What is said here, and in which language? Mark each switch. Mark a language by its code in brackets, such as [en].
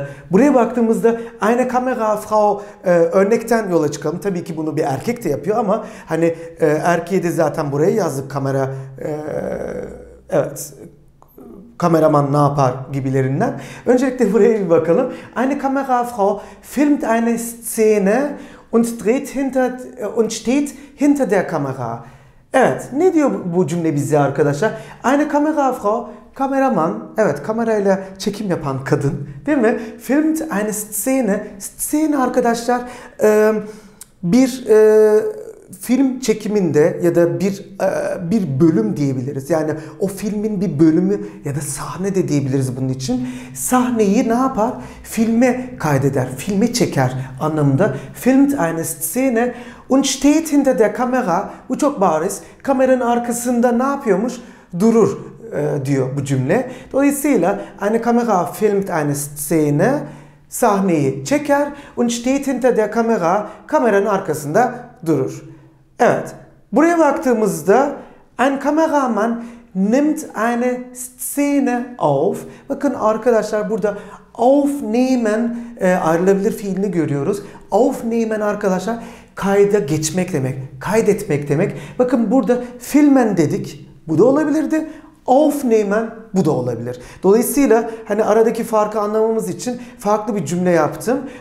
[tr] Buraya baktığımızda [de] eine Kamera Frau [tr] örnekten yola çıkalım. Tabii ki bunu bir erkek de yapıyor ama hani erkeğe de zaten buraya yazdık kamera. Evet. Kameraman ne yapar gibilerinden. Öncelikle buraya bir bakalım. [de] Eine Kamera Frau filmt eine Szene und dreht hinter und steht hinter der Kamera. [tr] Evet. Ne diyor bu cümle bize arkadaşlar? [de] Eine Kamera Frau [tr] kameraman, evet kamerayla çekim yapan kadın, değil mi? [de] Filmt eine Szene. [tr] Szene arkadaşlar bir film çekiminde ya da bir bölüm diyebiliriz. Yani o filmin bir bölümü ya da sahne de diyebiliriz bunun için. Sahneyi ne yapar? Filme kaydeder, filme çeker anlamında. [de] Filmt eine Szene und steht hinter der Kamera. [tr] Bu çok bariz. Kameranın arkasında ne yapıyormuş? Durur. Diyor bu cümle. Dolayısıyla [de] eine Kamera filmt eine Szene, [tr] sahneyi çeker [de] und steht hinter der Kamera, [tr] kameranın arkasında durur. Evet. Buraya baktığımızda [de] ein Kameramann nimmt eine Szene auf. [tr] Bakın arkadaşlar burada aufnehmen ayrılabilir fiilini görüyoruz. Aufnehmen arkadaşlar kayda geçmek demek. Kaydetmek demek. Bakın burada filmen dedik. Bu da olabilirdi. Aufnehmen bu da olabilir. Dolayısıyla hani aradaki farkı anlamamız için farklı bir cümle yaptım.